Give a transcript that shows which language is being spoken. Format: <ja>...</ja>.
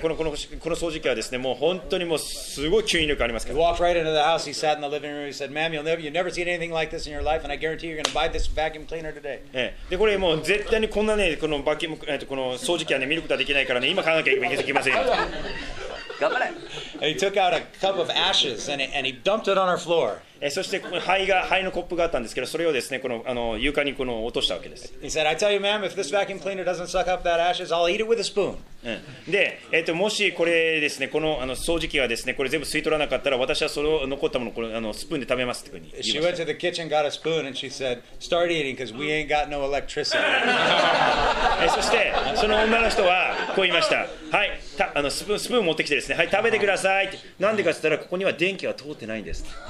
<ja>この掃除機はですね、もう本当にもうすごい吸引力ありますから。</ja> <en>He walked right into the house. He sat in the living room. He said, Ma'am, you've never seen anything like this in your life, and I guarantee you're going to buy this vacuum cleaner today.</en> <ja>で、これもう絶対にこんなね、このバキューム、この掃除機はね、見ることはできないからね、今買わなきゃいけません。頑張れ。</ja> <en>And he took out a cup of ashes and he dumped it on our floor.</en> <ja>そして灰のコップがあったんですけど、それをですね、この床にこの落としたわけです。</ja> <en>He said, I tell you, ma'am, if this vacuum cleaner doesn't suck up that ashes, I'll eat it with a spoon.</en> <ja>で、もしこれですね、この掃除機がですね、これ全部吸い取らなかったら、私はその残ったものをスプーンで食べますってふうに言いました。</ja> <en>She went to the kitchen, got a spoon, and she said, start eating, because we ain't got no electricity.</en> <ja>そして、その女の人はこう言いました。はい、スプーン持ってきてですね、はい、食べてくださいって。なんでかって言ったら、ここには電気は通ってないんです。</ja>